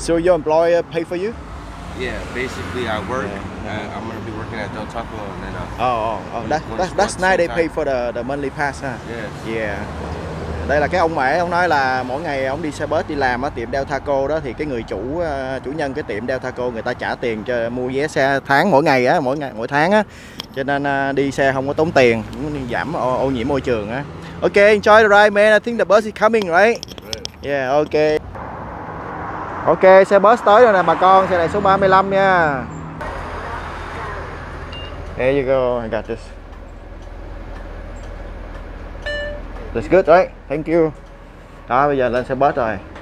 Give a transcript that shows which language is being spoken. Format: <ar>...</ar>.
<en>So, your employer pay for you? Yeah, basically, I work. I'm gonna be working at Del Taco and then. That's nice. They pay for the monthly pass, huh? Yeah.</en> <vi>Đây là cái ông Mẻ, ông nói là mỗi ngày ông đi xe bus đi làm ở tiệm Del Taco đó, thì cái người chủ nhân cái tiệm Del Taco người ta trả tiền cho mua vé xe tháng mỗi tháng á, cho nên đi xe không có tốn tiền, giảm ô nhiễm môi trường á.</vi> <en>Ok, enjoy the ride man, I think the bus is coming right.</en> <vi>Yeah, ok, xe bus tới rồi nè bà con, xe này số 35 nha.</vi> <en>There you go, I got this. That's good, right? Thank you.</en> <vi>Đó, bây giờ lên xe bus rồi.</vi>